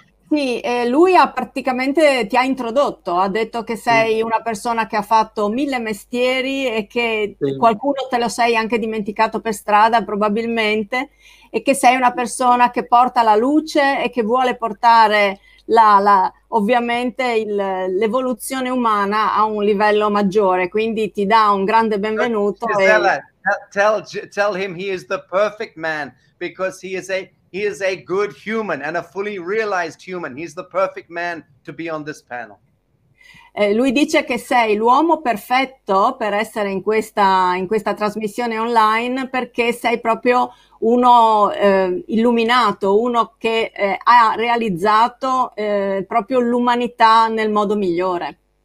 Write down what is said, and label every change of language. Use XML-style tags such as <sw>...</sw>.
<it>Sì, lui ha praticamente ti ha introdotto, ha detto che sei una persona che ha fatto mille mestieri e che qualcuno te lo sei anche dimenticato per strada probabilmente, e che sei una persona che porta la luce e che vuole portare l'evoluzione umana a un livello maggiore, quindi ti dà un grande benvenuto.</it> <en>Gisella, tell him he is the perfect man, because he is a good human and a fully realized human. He's the perfect man to be on this panel.</en> <it>Lui dice che sei l'uomo perfetto per essere in questa trasmissione online, perché sei proprio uno illuminato, uno che ha realizzato proprio l'umanità nel modo migliore.</it>